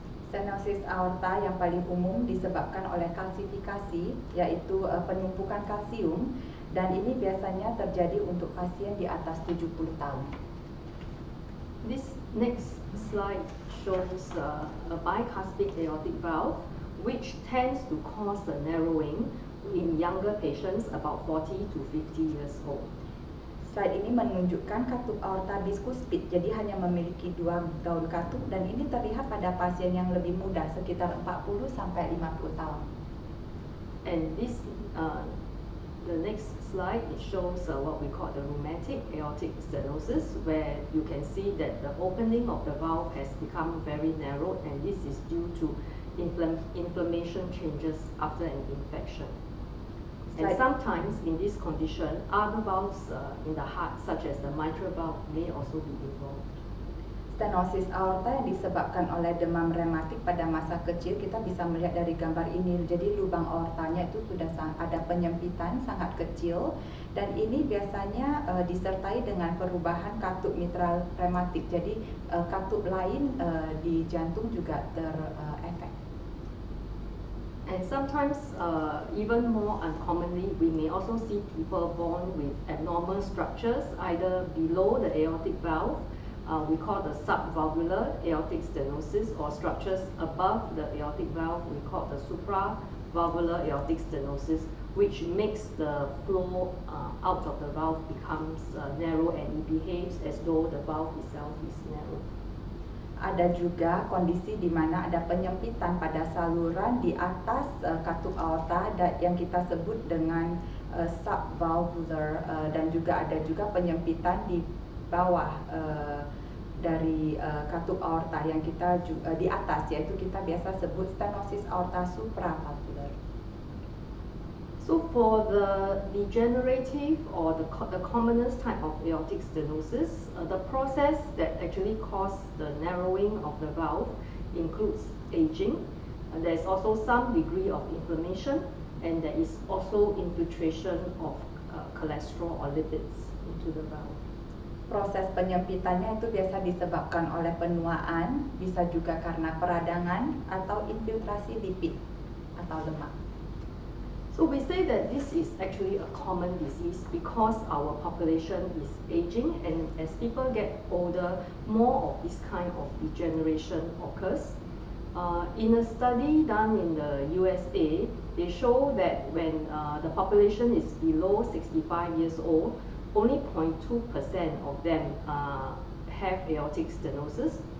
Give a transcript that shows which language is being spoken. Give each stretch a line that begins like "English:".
Indonesian: Stenosis aorta yang paling umum disebabkan oleh kalsifikasi, yaitu penumpukan kalsium, dan ini biasanya terjadi untuk pasien di atas 70 tahun.
English: This next slide shows a bicuspid aortic valve, which tends to cause a narrowing in younger patients about 40 to 50 years old.
Indonesian: Slide ini menunjukkan katup aorta bicuspid, jadi hanya memiliki dua gaun katup, dan ini terlihat pada pasien yang lebih muda, sekitar 40-50 tahun.
English: And this, the next slide, it shows what we call the rheumatic aortic stenosis, where you can see that the opening of the valve has become very narrow, and this is due to inflammation changes after an infection. And sometimes in this condition, other valves in the heart, such as the mitral valve, may also be involved.
Indonesian: Stenosis aorta yang disebabkan oleh demam rematik pada masa kecil, kita bisa melihat dari gambar ini. Jadi lubang aortanya itu sudah ada penyempitan sangat kecil, dan ini biasanya disertai dengan perubahan katup mitral rematik. Jadi katup lain di jantung juga terefek.
English: And sometimes, even more uncommonly, we may also see people born with abnormal structures either below the aortic valve, we call the subvalvular aortic stenosis, or structures above the aortic valve, we call the supravalvular aortic stenosis, which makes the flow out of the valve becomes narrow and it behaves as though the valve itself is narrow.
Indonesian: Ada juga kondisi di mana ada penyempitan pada saluran di atas katup aorta yang kita sebut dengan subvalvular, dan juga ada juga penyempitan di bawah dari katup aorta yang kita di atas, yaitu kita biasa sebut stenosis aorta supravalvular.
English: So for the degenerative or the commonest type of aortic stenosis, the process that actually causes the narrowing of the valve includes aging. There's also some degree of inflammation, and there is also infiltration of cholesterol or lipids into the valve.
Indonesian: Proses penyempitannya itu biasa disebabkan oleh penuaan, bisa juga karena peradangan atau infiltrasi lipid atau lemak.
English: So we say that this is actually a common disease because our population is aging, and as people get older, more of this kind of degeneration occurs. In a study done in the USA, they show that when the population is below 65 years old, only 0.2% of them have aortic stenosis.